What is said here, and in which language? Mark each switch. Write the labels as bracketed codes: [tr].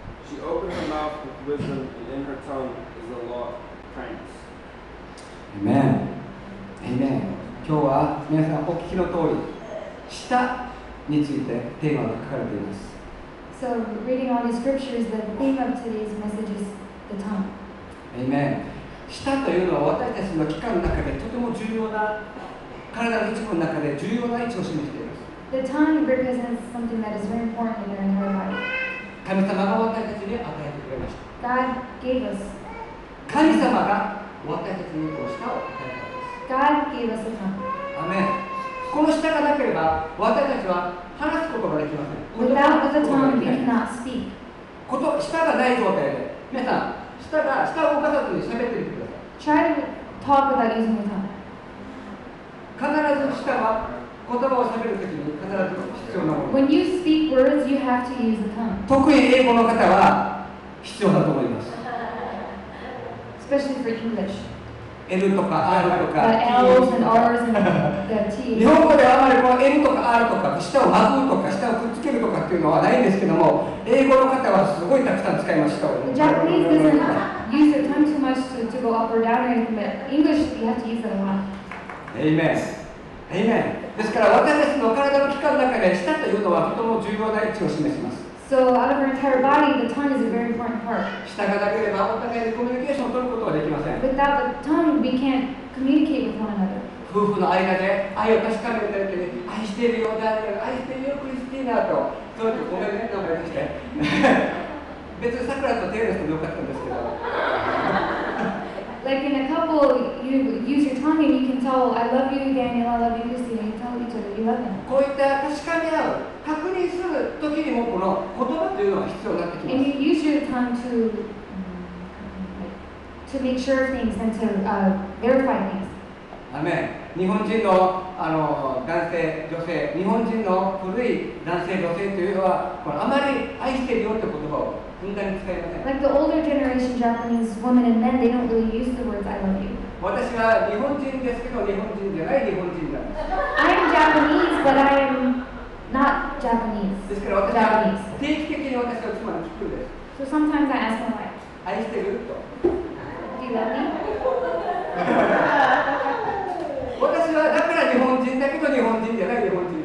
[en] She opened her mouth with wisdom, and in her tongue is the law of kindness. Amen. Amen. [ja] 今日は皆さんお聞きの通り、舌についてテーマが書かれています。 [en] So reading all these scriptures, the theme of today's message is the tongue. Amen. [ja] 舌というのは私たちの器官の中でとても重要な、体の一部の中で重要な位置を占めています。 [en] The tongue represents something that is very important in our entire life. [ja] 神様が私たちに与えてくれました。 [en] God gave us. [ja] 神様が私たちにこの舌を与えたんです。 [en] God gave us the tongue. Amen. [ja] この舌がなければ私たちは話すことができません。 [en] Without the tongue, we cannot speak. [ja] こと舌がない状態で、皆さん舌を動かさずに喋ってみてください。 [en] Try to talk without using the tongue. [ja] 必ず舌は言葉を喋るときに必ず必要なもの。 [en] When you speak words, you have to use the tongue. [ja] 特に英語の方は必要だと思います。 [en] Especially for English. [ja] L とか R とか [en] The L's and R's and the T's [ja] 日本語ではあまりこの L とか R とか舌をまぐうとか舌をくっつけるとかっていうのはないんですけども英語の方はすごいたくさん使いました [en] The Japanese doesn't use their tongue too much to go up or down or anything but English you have to use it a lot [ja] Amen Amen ですから私たちの体の器官の中で舌というのはとても重要な位置を示します [en] So out of our entire body, the tongue is a very important part. [ja] 舌だけではお互いにコミュニケーションを取ることはできません。 [en] Without the tongue, we can't communicate with one another. [ja] 夫婦の間で愛を確かめるだけで、愛しているよ、愛しているよ、クリスティーナと、そういうごめんね、名前出して。別に桜とテイラスでよかったんですけど。 [en] Like in a couple, you use your tongue and you can tell, I love you, Daniel, I love you, Lucy, and you tell each other you love them. [ja] こういった確かめ合う、確認するときにもこの言葉というのは必要になってきます。 [en] And you use your tongue to make sure of things and to verify things. Amen. [ja] 日本人の、男性、女性、日本人の古い男性、女性というのは、これあまり愛してるよって言葉を [en] Like the older generation Japanese women and men, they don't really use the words I love you. [ja] 私は日本人ですけど日本人じゃない日本人なんです。 [en] I'm Japanese, but I'm not Japanese. [ja] ですから私は定期的に私は妻に聞くんです。 [en] So sometimes I ask my wife. [ja] 愛してる？と。 [en] Do you love me? [ja] 私はだから日本人だけど日本人じゃない日本人。